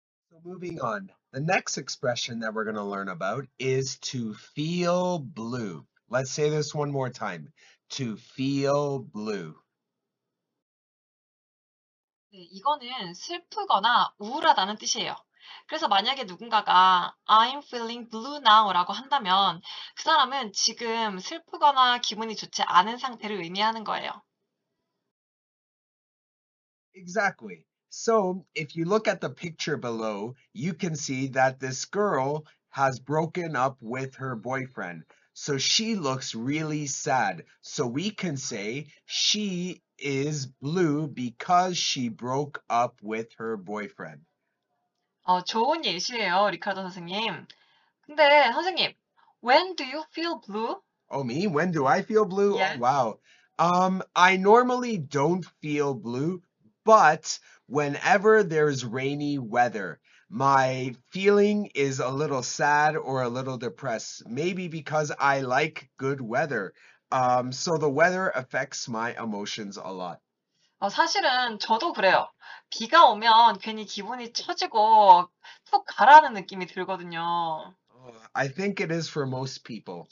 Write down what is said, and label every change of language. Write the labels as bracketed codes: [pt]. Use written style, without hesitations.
[en] So moving on, the next expression that we're going to learn about is to feel blue. Let's say this one more time. To feel blue. [ko] 네, 이거는 슬프거나 우울하다는 뜻이에요. 그래서 만약에 누군가가 [en] I'm feeling blue now [ko] 라고 한다면 그 사람은 지금 슬프거나 기분이 좋지 않은 상태를 의미하는 거예요. [en] Exactly. So if you look at the picture below, you can see that this girl has broken up with her boyfriend. So she looks really sad. So we can say she is blue because she broke up with her boyfriend. [ko] 좋은 예시예요, 리카르도 선생님. 근데 선생님, [en] when do you feel blue? Oh, me? When do I feel blue? Yeah. Oh, wow. I normally don't feel blue, but whenever there's rainy weather, my feeling is a little sad or a little depressed, maybe because I like good weather. So the weather affects my emotions a lot. [ko] 사실은 저도 그래요. 비가 오면 괜히 기분이 처지고 푹 가라앉는 느낌이 들거든요. [en] I think it is for most people.